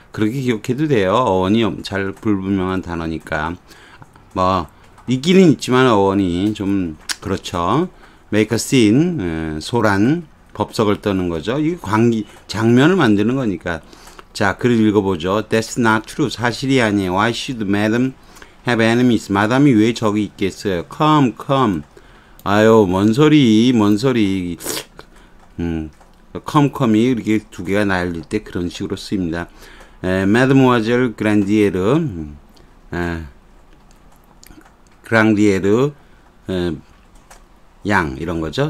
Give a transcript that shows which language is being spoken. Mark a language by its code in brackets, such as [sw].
[ko] 그렇게 기억해도 돼요. 어원이 잘 불분명한 단어니까. 뭐, 있기는 있지만 어원이 좀 그렇죠. [en] make a scene, [ko] 소란, 법석을 떠는 거죠. 이게 광기, 장면을 만드는 거니까. 자, 글을 읽어보죠. [en] That's not true. [ko] 사실이 아니에요. [en] Why should madam have enemies? [ko] 마담이 왜 적이 있겠어요? [en] Come, come. [ko] 아유, 뭔 소리. [en] Come, come [ko] 이 이렇게 두 개가 날릴 때 그런 식으로 쓰입니다. Mademoiselle Grandier, Grandier, 양, 이런 거죠.